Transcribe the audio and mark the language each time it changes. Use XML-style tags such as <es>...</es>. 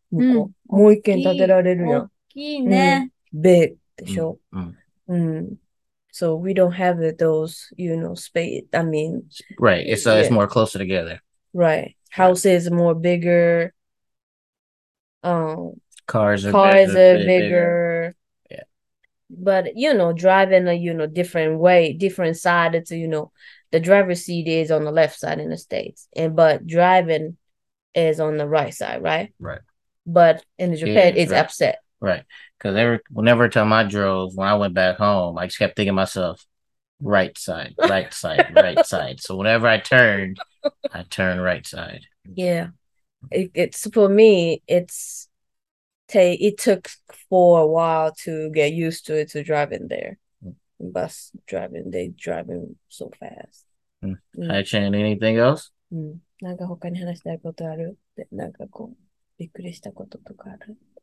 <ja>もう一軒建てられるよ。大きいね。 Big でしょ？</ja> <en>So we don't have those, you know, space. I mean, right. It's more closer together. Right. House is more bigger. Cars are bigger. But, you know, driving a, you know, different way, different side, it's, you know, the driver's seat is on the left side in the States. But driving is on the right side, right? Right. But in Japan, it's upset. Right. Because whenever time I drove, when I went back home, I just kept thinking to myself, right side, right side. So whenever I turn right side. Yeah. It's for me, it took for a while to get used to it, to driving there. Bus driving, they driving so fast. Hi, Chan, anything else?</en> <ja>なんか他に話したいことある？なんかこう、びっくりしたこととかある？</ja>